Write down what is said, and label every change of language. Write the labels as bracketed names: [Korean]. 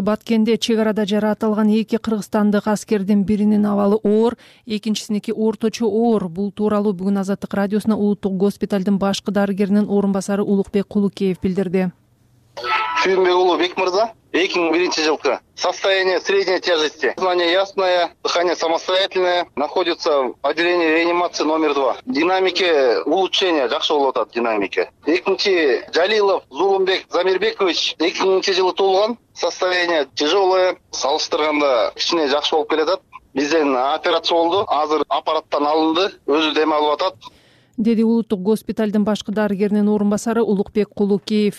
[Kyrgyz] Баткенде чек арада жаратылган эки кыргызстандык аскердин биринин абалы оор, экинчисиники орточо оор. Бул тууралуу бүгүн Азаттык радиосуна улуттук госпиталдын башкы дарыгеринин орун басары Улукбек Кулукеев билдирди. Сүйүнбек уулу Бекмырза, 2001 жылкы. [Russian] Состояние средней тяжести. Сознание ясное, дыхание самостоятельное. Находится в отделении реанимации номер 2. Динамики улучшения, [Kyrgyz] жакшы болуп атат [Russian] динамики. [Kyrgyz] Экинчи Жалилов Зурумбек Замирбекович, 2000 жылы туулган. [Russian] Состояние тяжелое, [Kyrgyz] салыштырганда кичине жакшы болуп келатат. Бизден операция болду, азыр аппараттан алынды, өзү дем алып атат. Деди улуттук госпиталдын башкы дарыгеринин орун басары Улукбек Кулукеев.